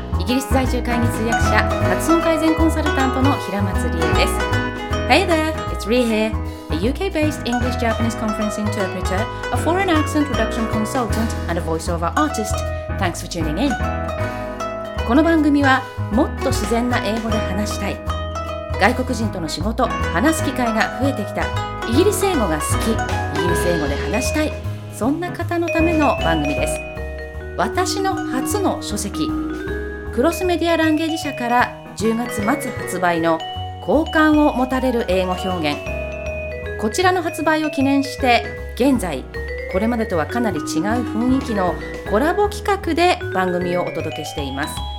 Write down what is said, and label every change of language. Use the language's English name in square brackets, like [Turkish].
[Japanese] ギリス在住会議通訳者、発音改善コンサルタントの平松理恵です。 [English] Hey there, it's Rie here, a UK-based English-Japanese conference interpreter, a foreign accent reduction consultant, and a voiceover artist. Thanks for tuning in. [Japanese] この番組は、もっと自然な英語で話したい、外国人との仕事、話す機会が増えてきた、イギリス英語が好き、イギリス英語で話したい、そんな方のための番組です。私の初の書籍、クロスメディアランゲージ社から10月末発売の好感を持たれる英語表現、こちらの発売を記念して、現在これまでとはかなり違う雰囲気のコラボ企画で番組をお届けしています。